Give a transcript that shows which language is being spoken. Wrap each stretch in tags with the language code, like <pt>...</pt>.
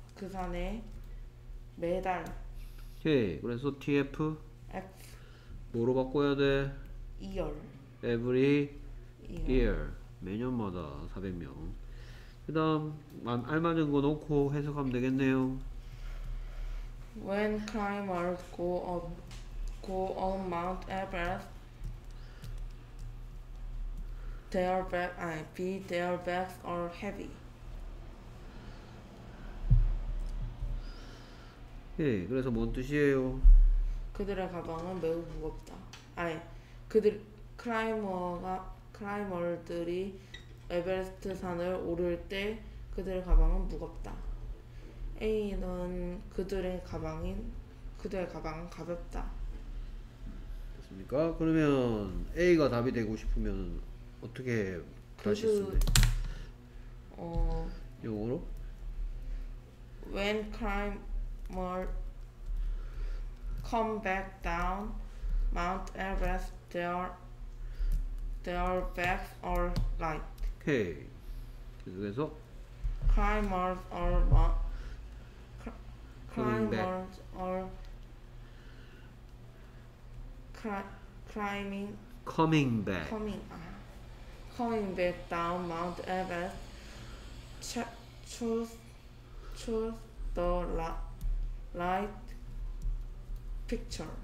<ko>그 산에 매달. 오케이. 그래서 TF F 뭐로 바꿔야 돼?</ko> <en>year. Every year.</en> <ko>매년마다 400명. 그다음 알맞은 거 놓고 해석하면 되겠네요.</ko> <en>When climbers go on Mount Everest, their backs are heavy.</en> <ko>예, 그래서 뭔 뜻이에요? 그들의 가방은 매우 무겁다. 아니, 그들 클라이머들이 에베레스트 산을 오를 때 그들의 가방은 무겁다. A는 그들의 가방은 가볍다. 됐습니까? 그러면 A가 답이 되고 싶으면 어떻게 다시 쓰면 영어로?</ko> <en>When climber come back down Mount Everest, their backs are light.</en> <ko>Okay. 계속해서</ko> <en>climbers are not Coming back down Mount Everest, choose the light picture.</en>